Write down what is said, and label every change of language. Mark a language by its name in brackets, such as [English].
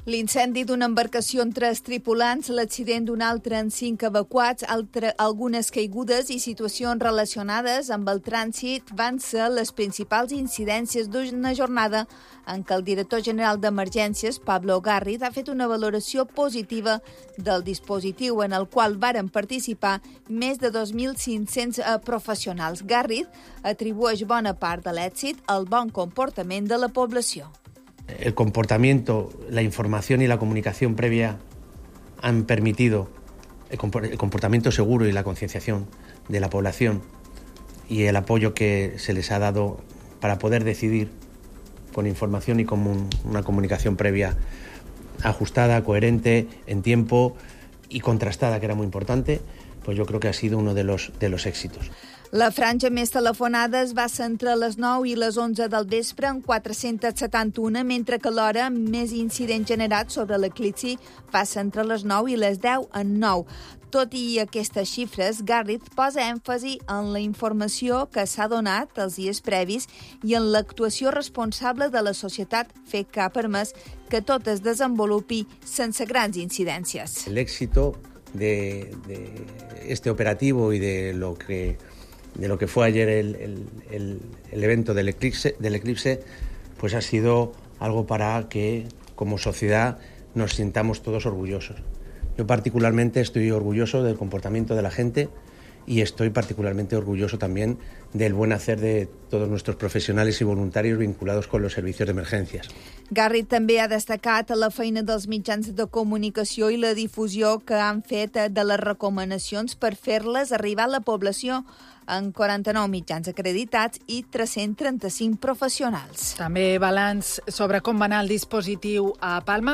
[Catalan] L'incendi d'una embarcació amb 3 tripulants, l'accident d'un altre amb 5 evacuats, algunes caigudes i situacions relacionades amb el trànsit van ser les principals incidències d'una jornada en què el director general d'Emergències, Pablo Garrido, ha fet una valoració positiva del dispositiu en el qual varen participar més de 2.500 professionals. Garrido atribueix bona part de l'èxit al bon comportament de la població. [Spanish] El comportamiento, la información y la comunicación previa han permitido el comportamiento seguro y la concienciación de la población y el apoyo que se les ha dado para poder decidir con información y con una comunicación previa ajustada, coherente, en tiempo y contrastada, que era muy importante, pues yo creo que ha sido uno de los éxitos. [Catalan] La franja més telefonada es va centrar a les 9 i les 11 del vespre en 471, mentre que l'hora més incident generat sobre l'eclipsi va centrar a les 9 i les 10 en 9. Tot i aquestes xifres, Garrido posa èmfasi en la informació que s'ha donat els dies previs i en l'actuació responsable de la societat fet que ha permès que tot es desenvolupi sense grans incidències. [Spanish] L'èxito de este operativo y de lo que fue ayer el evento del eclipse, pues ha sido algo para que como sociedad nos sintamos todos orgullosos. Yo particularmente estoy orgulloso del comportamiento de la gente y estoy particularmente orgulloso también del buen hacer de todos nuestros profesionales y voluntarios vinculados con los servicios de emergencias. [Catalan] Garrido també ha destacat la feina dels mitjans de comunicació i la difusió que han fet de les recomanacions per fer-les arribar a la població en 49 mitjans acreditats i 335 professionals. També balanç sobre com va anar el dispositiu a Palma.